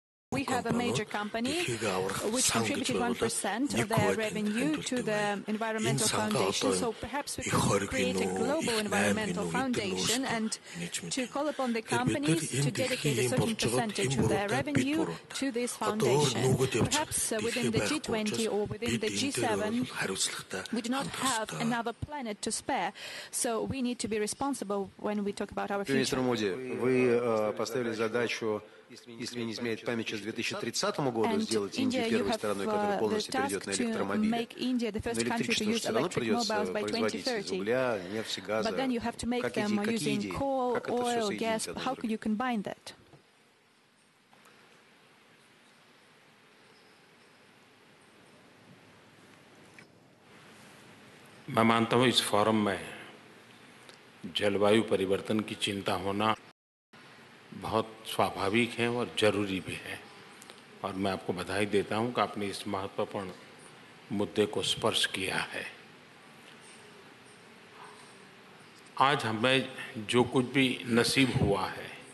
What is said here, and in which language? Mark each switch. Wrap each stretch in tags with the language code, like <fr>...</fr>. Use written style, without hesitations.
<en>We have a major company which contributed 1% of their revenue to the environmental foundation, so perhaps we could create a global environmental foundation and to call upon the companies to dedicate a certain percentage of their revenue to this foundation. Perhaps within the G20 or within the G7, we do not have another planet to spare, so we need to be responsible when we talk about our future. Mr. Modi, you have set a challenge.</en> <ru>Если не изменяет память, с 2030 года сделать Индию первой страной, которая полностью перейдет на электромобили. Но электричество все равно придется производить из угля, нефти, газа.</ru> <en>But then you have to make them using coal, oil, gas. How could you combine that? Мы мантово из форума жильвою перевертан ки чинта хона.</en> <hi>बहुत स्वाभाविक है और जरूरी भी है और मैं आपको बधाई देता हूं कि आपने इस महत्वपूर्ण मुद्दे को स्पर्श किया है आज हमें जो कुछ भी नसीब हुआ है</hi>